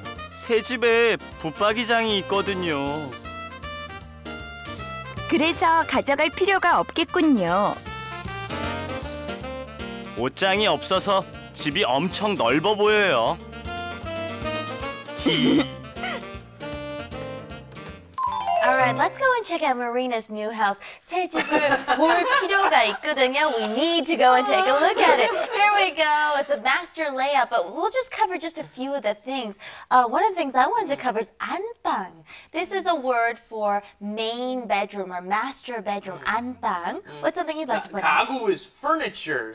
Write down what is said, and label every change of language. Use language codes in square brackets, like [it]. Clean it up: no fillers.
[ko] 새 집에 붙박이장이 있거든요. 그래서 가져갈 필요가 없겠군요. 옷장이 없어서 집이 엄청 넓어 보여요. 히. [en] Alright, let's go and check out Marina's new house. [ko] 새 집을 볼 필요가 있거든요. [en] We need to go and take a look at it. Here we go. It's a master layout, but we'll just cover just a few of the things. One of the things I wanted to cover is 안방. This is a word for main bedroom or master bedroom. 안방. What's something you'd like to put in? 가구 is furniture.